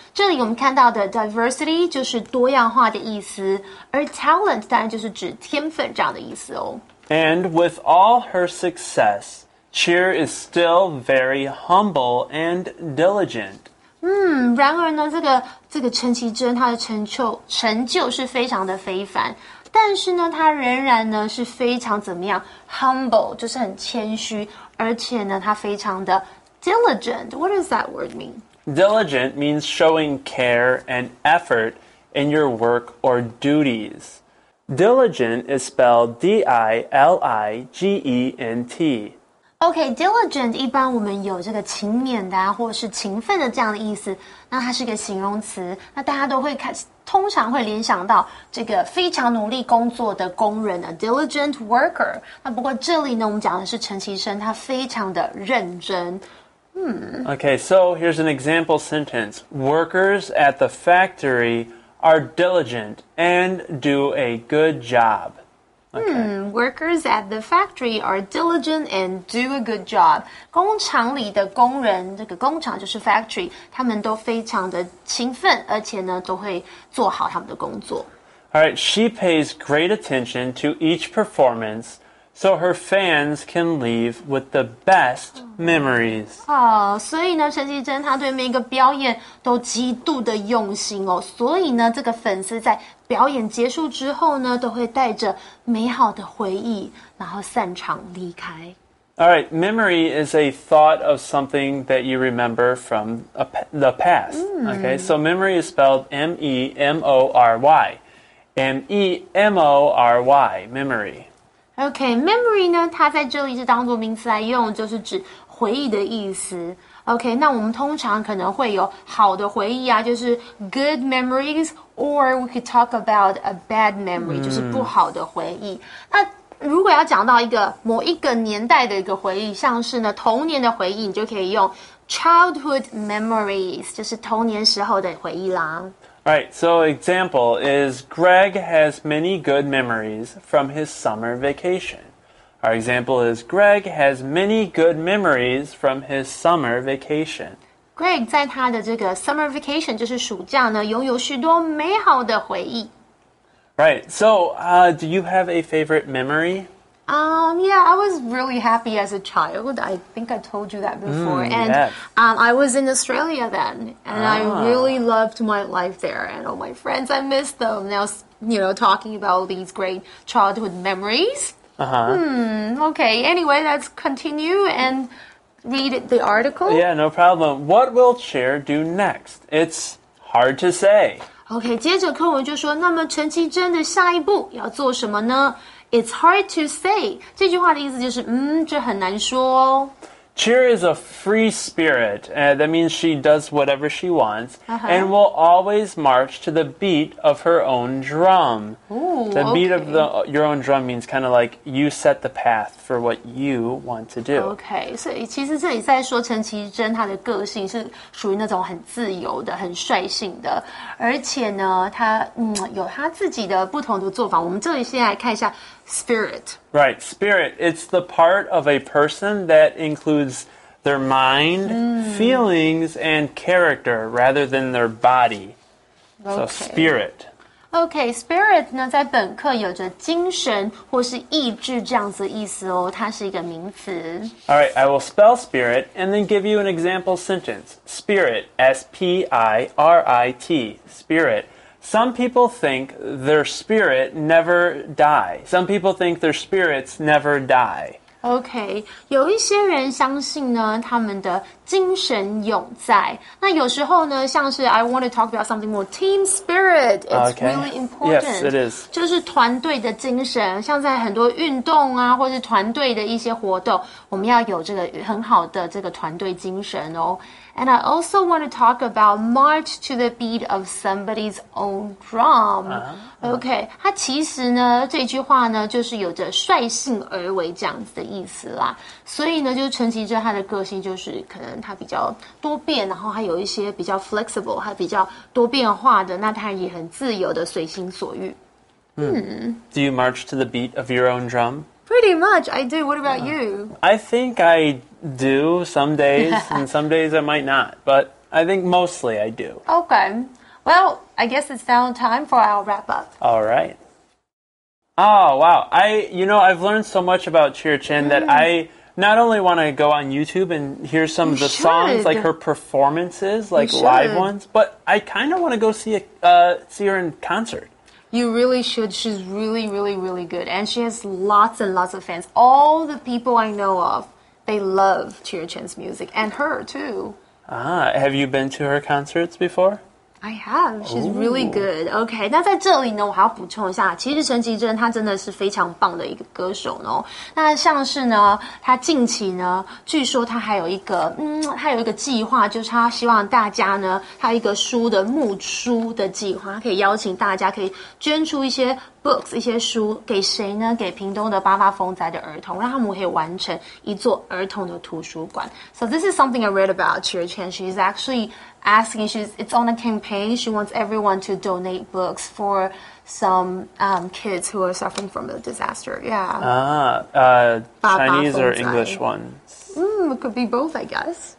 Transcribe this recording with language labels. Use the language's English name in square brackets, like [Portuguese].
[Chinese] 这里我们看到的 diversity 就是多样化的意思，而 talent 当然就是指天分这样的意思哦。 [English] And with all her success, Cher is still very humble and diligent. [Chinese] 然而呢，这个陈绮贞她的成就是非常的非凡。但是呢，他仍然呢是非常怎么样 ？humble 就是很谦虚，而且呢，他非常的 diligent. [English] What does that word mean? Diligent means showing care and effort in your work or duties. Diligent is spelled D-I-L-I-G-E-N-T. [Chinese] Okay, diligent 一般我们有这个勤勉的啊，或者是勤奋的这样的意思。那它是个形容词，那大家都会看。通常会联想到这个非常努力工作的工人 [English] a diligent worker. [Chinese] 那不过这里呢，我们讲的是陈绮贞，她非常的认真。 [English] Okay, so here's an example sentence. Workers at the factory are diligent and do a good job. Workers at the factory are diligent and do a good job. [Chinese] 工厂里的工人，这个工厂就是 factory， 他们都非常的勤奋，而且呢都会做好他们的工作。 [English] All right, she pays great attention to each performance, so her fans can leave with the best memories. [Chinese] 所以呢，陈绮贞她对每一个表演都极度的用心哦，所以呢，这个粉丝在表演结束之后呢，都会带着美好的回忆，然后散场离开。 [English] All right, memory is a thought of something that you remember from the past. Okay, so memory is spelled M-E-M-O-R-Y. M-E-M-O-R-Y, memory. [Chinese] Okay, memory 呢，它在这里是当作名词来用，就是指回忆的意思。 OK, 那我们通常可能会有好的回忆啊，就是 [English] good memories, or we could talk about a bad memory, [Chinese] 就是不好的回忆。那如果要讲到一个某一个年代的一个回忆，像是呢童年的回忆，你就可以用 [English] childhood memories, [Chinese] 就是童年时候的回忆啦。 [English] Right, so example is Greg has many good memories from his summer vacation. Our example is Greg has many good memories from his summer vacation. [Chinese] Greg 在他的这个 [English] summer vacation [Chinese] 就是暑假呢，拥有许多美好的回忆。 [English] Right. So, do you have a favorite memory? Yeah, I was really happy as a child. I think I told you that before. I was in Australia then, and I really loved my life there and all my friends. I miss them. Now, you know, talking about all these great childhood memories. Okay, anyway, let's continue and read the article. Yeah, no problem. What will Cher do next? It's hard to say. [Chinese] Okay, 接着课文就说，那么陈绮贞的下一步要做什么呢？ [English] It's hard to say. [Chinese] 这句话的意思就是，这很难说哦。 [English] Cheer is a free spirit. That means she does whatever she wants, uh-huh. and will always march to the beat of her own drum. Ooh, the beat of your own drum means kind of like you set the path for what you want to do. [Chinese] Okay, 所以其实这里在说陈绮贞她的个性是属于那种很自由的、很率性的，而且呢，她有她自己的不同的做法。我们这里先来看一下。 [English] Spirit. Right, spirit. It's the part of a person that includes their mind, feelings, and character rather than their body. Okay. So, spirit. [Chinese] Okay, spirit 呢在本课有着精神或是意志这样子的意思哦，它是一个名词。 [English] All right, I will spell spirit and then give you an example sentence. Spirit, S-P-I-R-I-T, spirit. Some people think their spirit never die. Some people think their spirits never die. [Chinese] Okay, 有一些人相信呢，他们的精神永在。那有时候呢，像是 [English] I want to talk about something more. Team spirit, it's okay. really important. Yes, it is. [Chinese] 就是团队的精神，像在很多运动啊，或是团队的一些活动，我们要有这个很好的这个团队精神哦。 [English] And I also want to talk about march to the beat of somebody's own drum. [Chinese] Okay, 它其实呢，这句话呢，就是有着率性而为这样子的意思啦。所以呢，就是陈绮贞她的个性就是可能她比较多变，然后还有一些比较 flexible， 还比较多变化的，那她也很自由的随心所欲。 [English] Do you march to the beat of your own drum? Pretty much, I do. What about you? I think I... do some days and some days I might not, but I think mostly I do. Okay. Well, I guess it's now time for our wrap up. All right. Oh, wow. I've learned so much about Cheer Chen that I not only want to go on YouTube and hear some of the songs, like her performances, like live ones, but I kind of want to go see her in concert. You really should. She's really, really, really good. And she has lots and lots of fans. All the people I know of. They love Cheer Chen's music, and her, too. Have you been to her concerts before? I have. She's really good. [Chinese] Okay, 那在这里呢，我还要补充一下，其实陈绮贞她真的是非常棒的一个歌手呢。那像是呢，她近期呢，据说她还有一个，她有一个计划，就是她希望大家呢，她有一个书的募书的计划，可以邀请大家可以捐出一些books 一些书给谁呢？给屏东的八八风灾的儿童，让他们可以完成一座儿童的图书馆。 [English] So this is something I read about Cheer Chen. She's actually asking. It's on a campaign. She wants everyone to donate books for some kids who are suffering from a disaster. Yeah. Chinese or English ones? It could be both, I guess.